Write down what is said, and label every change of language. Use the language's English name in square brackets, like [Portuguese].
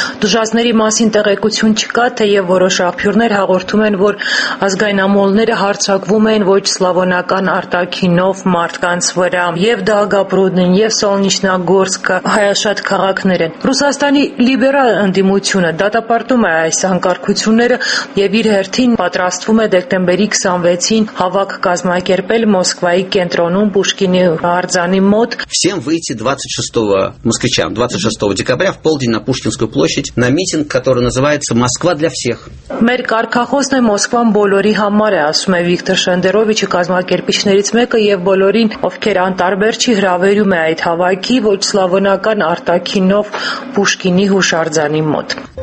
[Armenian] Դժազների մասին տեղեկություն չկա, թեև որոշ աղբյուրներ հաղորդում են, որ ազգայնամոլները հարձակվում են ոչ սլավոնական արտաքինով մարդկանց վրա, եւ Դաղապրուդնին, եւ Սոլնիչնագորսկը հայաշատ քաղաքներ են։ Ռուսաստանի լիբերալ ընդդիմությունը դատապարտում է այս անկարգությունները եւ իր հերթին պատրաստվում է դեկտեմբերի 26-ին հավաք կազմակերպել Մոսկվայի կենտրոնում Պուշկինի արձանի մոտ։ [Russian] Всем выйти 26-го москвичам 26 декабря в полдень на Пушкинскую площадь на митинг, который называется Москва для всех. [Armenian] Մեր կարգախոսն է Մոսկվան բոլորի համար է, ասում է Վիկտոր Շենդերովիչը, կազմակերպիչներից մեկը, եւ բոլորին, ովքեր անտարբեր չի հրավերում է այդ հավաքի ոչ սլավոնական արտաքինով Պուշկինի հուշարձանի մոտ։